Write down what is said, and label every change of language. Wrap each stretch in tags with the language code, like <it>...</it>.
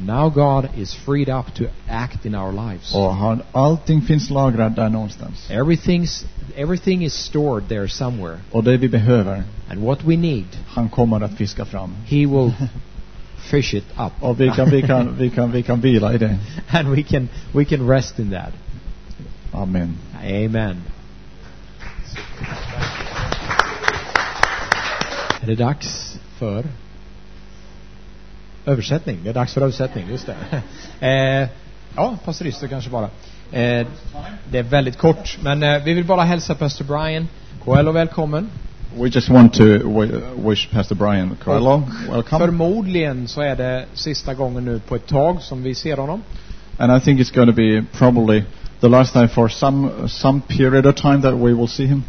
<en>Now God is freed up to act in our lives.</en> <sv>Och allting finns lagrat där någonstans.</sv> <en>Everything is stored there somewhere.</en> <sv>Och det vi behöver.</sv> <en>And what we need.</en> <sv>Han kommer att fiska fram.</sv> <en>He will fish it up.</en> <sv>Och vi kan vila i det.</sv> <en>And we can rest in that. Amen. Amen.</en> <sv>Är det dags för översättning? Det är dags för översättning, just det. Ja, pastorister kanske bara. Det är väldigt kort, men vi vill bara hälsa Pastor Brian Coelho välkommen.</sv> <en>We just want to wish Pastor Brian Coelho welcome.</en> <sv>Förmodligen så är det sista gången nu på ett tag som vi ser honom.</sv> <en>And I think it's going to be probably the last time for some period of time that we will see him.</en>